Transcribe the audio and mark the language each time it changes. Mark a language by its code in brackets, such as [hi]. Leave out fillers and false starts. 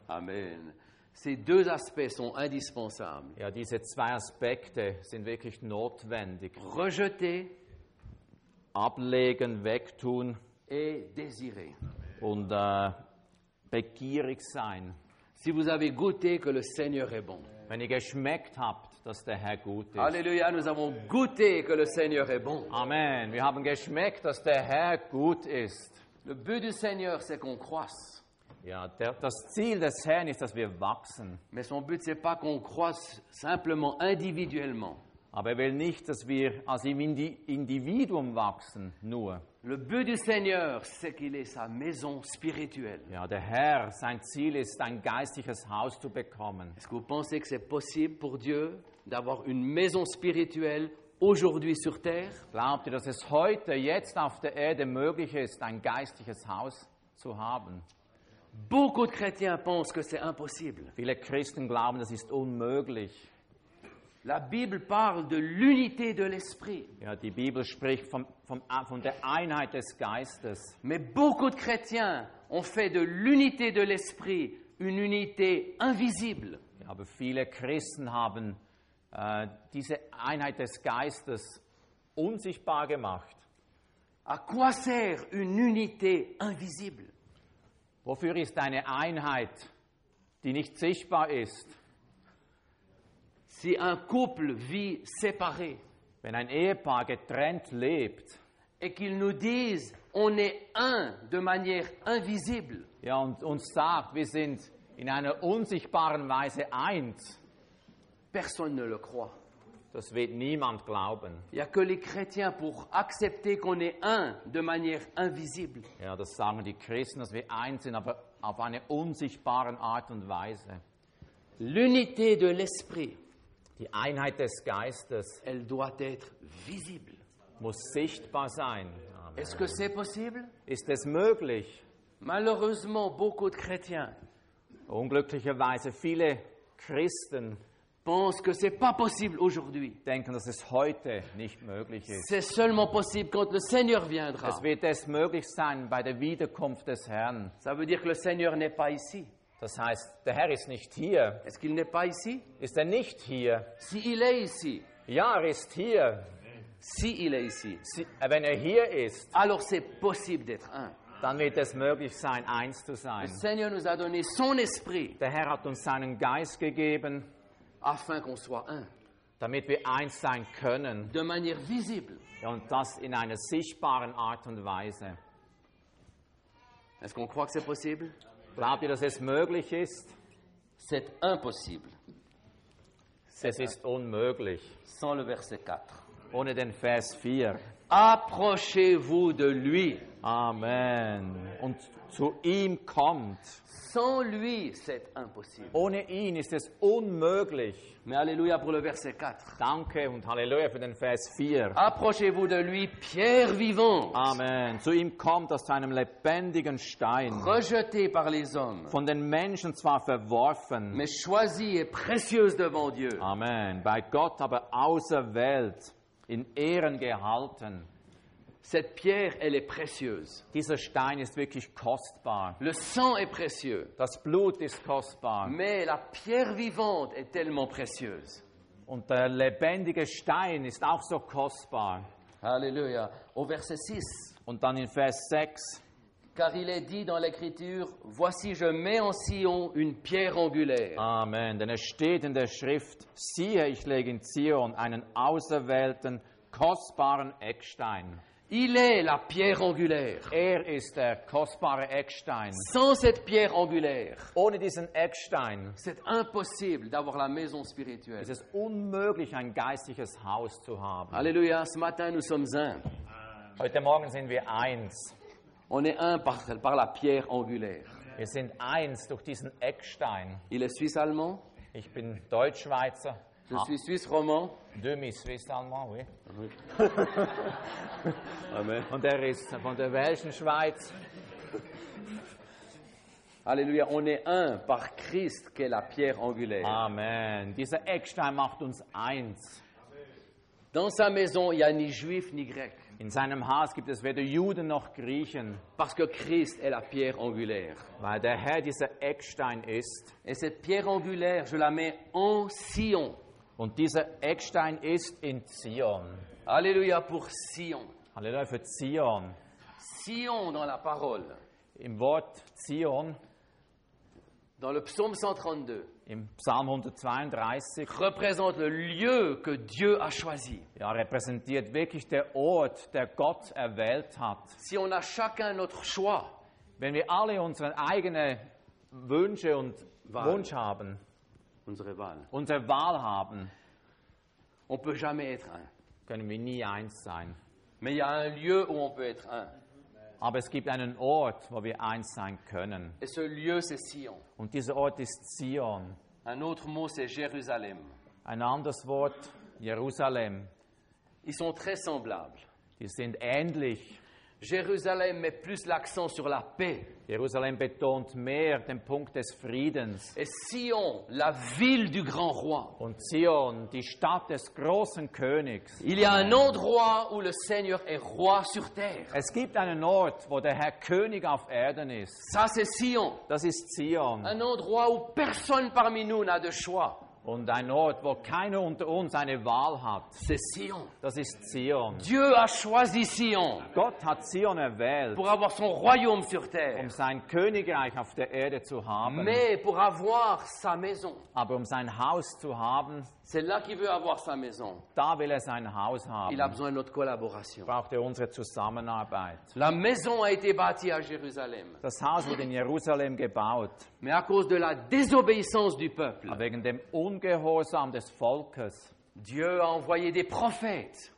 [fr] Amen. Ces deux aspects sont indispensables. [de] Ja, diese zwei Aspekte sind wirklich notwendig. [fr] Rejeter. [de] Ablegen, wegtun. [fr] Et désirer. [de] Und begierig sein. [fr] Si vous avez goûté que le Seigneur est bon. [de] Wenn ihr geschmeckt habt, dass der Herr gut ist. [fr] Alléluia, nous avons goûté que le Seigneur est bon. Amen. [de] Wir haben geschmeckt, dass der Herr gut ist. [fr] Le but du Seigneur, c'est qu'on croisse. [de] Ja, das Ziel des Herrn ist, dass wir wachsen. [fr] Mais son but, c'est pas qu'on croisse simplement individuellement. [de] Aber er will nicht, dass wir als Individuum wachsen, nur. [fr] Le but du Seigneur, c'est qu'il ait sa maison spirituelle. [de] Ja, der Herr, sein Ziel ist, ein geistliches Haus zu bekommen. [fr] Est-ce que vous pensez que c'est possible pour Dieu d'avoir une maison spirituelle aujourd'hui sur terre? [de] Glaubt ihr, dass es heute, jetzt auf der Erde möglich ist, ein geistliches Haus zu haben? [fr] Beaucoup de chrétiens pensent que c'est impossible. [de] Viele Christen glauben, das ist unmöglich. [fr] La Bible parle de l'unité de l'esprit. [de] Ja, die Bibel spricht von der Einheit des Geistes. [fr] Mais beaucoup de chrétiens ont fait de l'unité de l'esprit une unité invisible. [de] Ja, aber viele Christen haben diese Einheit des Geistes unsichtbar gemacht. [fr] À quoi sert une unité invisible? [de] Wofür ist eine Einheit, die nicht sichtbar ist? [fr] Si un couple vit séparé, [de] Wenn ein Ehepaar getrennt lebt, [fr] et qu'ils nous disent on est un de manière invisible. [de] Ja, und uns sagt, wir sind in einer unsichtbaren Weise eins. [fr] Personne ne le croit. [de] Das wird niemand glauben. [fr] Il n'y a que les chrétiens pour accepter qu'on est un de manière invisible. [de] Ja, das sagen die Christen, dass wir eins sind, aber auf eine unsichtbare Art und Weise. [fr] L'unité de l'esprit. [de] Die Einheit des Geistes. [fr] Elle doit être visible. [de] Muss sichtbar sein. Amen. [fr] Est-ce que c'est possible? [de] Ist es möglich? [fr] Malheureusement, beaucoup de chrétiens. [de] Unglücklicherweise viele Christen. [fr] Pensent que c'est pas possible aujourd'hui. [de] Denken, dass es heute nicht möglich ist. [fr] C'est seulement possible quand le Seigneur viendra. [de] Es wird erst möglich sein bei der Wiederkunft des Herrn. [fr] Ça veut dire que le Seigneur n'est pas ici. [de] Das heißt, der Herr ist nicht hier. [fr] Est-ce qu'il n'est pas ici? [de] Ist er nicht hier? [fr] Si il est ici. [de] Ja, er ist hier. [fr] Si il est ici. [de] Si, wenn er hier ist. [fr] Alors c'est possible d'être un. [de] Dann wird es möglich sein, eins zu sein. [fr] Le Seigneur nous a donné son esprit. [de] Der Herr hat uns seinen Geist gegeben. [fr] Afin qu'on soit un. [de] Damit wir eins sein können. [fr] De manière visible. [de] Und das in einer sichtbaren Art und Weise. [fr] Est-ce qu'on croit que c'est possible? [de] Glaubt ihr, dass es möglich ist? [fr] C'est impossible. [de] Es ist unmöglich. [fr] Sans le verset 4. [de] Ohne den Vers 4. [fr] Approchez-vous de lui. [de] Amen. Und zu ihm kommt. [fr] Sans lui, c'est impossible. [de] Ohne ihn ist es unmöglich. [fr] Mais alléluia pour le verset 4. [de] Danke und halleluja für den Vers 4. [fr] Approchez-vous de lui, pierre vivante. Amen. [de] Zu ihm kommt aus einem lebendigen Stein. [fr] Rejeté par les hommes. [de] Von den Menschen zwar verworfen. [fr] Mais choisi et précieuse devant Dieu. Amen. [de] Bei Gott aber auserwählt. In Ehren gehalten. [fr] Cette pierre, elle est précieuse. [de] Dieser Stein ist wirklich kostbar. [fr] Le sang est précieux. [de] Das Blut ist kostbar. [fr] Mais la pierre vivante est tellement précieuse. [de] Und der lebendige Stein ist auch so kostbar. [fr] Halleluja. Au verset 6. [de] Und dann in Vers 6. [fr] Car il est dit dans l'Écriture, voici je mets en Sion une pierre angulaire. Amen. [de] Denn es steht in der Schrift, siehe, ich lege in Zion einen auserwählten, kostbaren Eckstein. [fr] Il est la pierre angulaire. [de] Er ist der kostbare Eckstein. [fr] Sans cette pierre angulaire. [de] Ohne diesen Eckstein. [fr] C'est impossible d'avoir la maison spirituelle. [de] Es ist unmöglich, ein geistliches Haus zu haben. [fr] Alléluia, ce matin nous sommes un. [de] Heute Morgen sind wir eins. [fr] On est un par la pierre angulaire. [de] Wir sind eins durch diesen Eckstein. [fr] Il est suisse allemand. [de] Ich bin Deutschschweizer. [fr] Je suis suisse romand. Demi suisse allemand, oui. Amen. [de] Und er ist von der welschen Schweiz. [fr] Alléluia, on est un par Christ qui est la pierre angulaire. Amen. [de] Dieser Eckstein macht uns eins. [fr] Dans sa maison, il y a ni juif ni grec. [de] In seinem Haus gibt es weder Juden noch Griechen. [fr] Parce que Christ est la pierre angulaire. [de] Weil der Herr dieser Eckstein ist. [fr] Et cette pierre angulaire, je la mets en Sion. [de] Und dieser Eckstein ist in Zion. [fr] Alléluia pour Sion. [de] Alléluia für Zion. [fr] Sion dans la parole. [de] Im Wort Zion. [fr] Dans le psaume 132. [de] Im Psalm 132 [fr] représente le lieu que Dieu a choisi. [de] Ja, repräsentiert wirklich der Ort, der Gott erwählt hat. [fr] Si on a chacun notre choix, [de] wenn wir alle unsere eigenen Wünsche und Wahl. Wunsch haben, unsere Wahl. Unsere Wahl haben, [fr] on peut jamais être un. [de] Können wir nie eins sein. [fr] Mais il y a un lieu où on peut être un. [de] Aber es gibt einen Ort, wo wir eins sein können. [fr] Et ce lieu, c'est Sion. [de] Und dieser Ort ist Zion. [fr] Un autre mot, c'est Jérusalem. [de] Ein anderes Wort, Jerusalem. [fr] Ils sont très semblables. [de] Die sind ähnlich. [fr] Jérusalem met plus l'accent sur la paix. [de] Jerusalem betont mehr den Punkt des Friedens. [fr] Et Sion, la ville du grand roi. [de] Und Zion, die Stadt des großen Königs. [fr] Il y a un endroit où le Seigneur est roi sur terre. [de] Es gibt einen Ort, wo der Herr König auf Erden ist. [fr] Ça c'est Sion. [de] Das ist Zion. [fr] Un endroit où personne parmi nous n'a de choix. [de] Und ein Ort, wo keiner unter uns eine Wahl hat. [fr] C'est Sion. [de] Das ist Zion. [fr] Dieu a choisi Sion. [de] Gott hat Zion erwählt. [fr] Pour avoir son royaume sur terre. [de] Um sein Königreich auf der Erde zu haben. [fr] Mais pour avoir sa maison. [de] Aber um sein Haus zu haben. [fr] C'est là qu'il veut avoir sa maison. [de] Da will er sein Haus haben. [fr] Il a besoin de notre collaboration. [de] Braucht er unsere Zusammenarbeit. [fr] La maison a été bâtie à Jérusalem. [de] Das Haus wurde in Jerusalem gebaut. [fr] Mais à cause de la désobéissance du peuple. [de] Wegen dem Ungehorsam des Volkes. [fr] Dieu a envoyé des prophètes.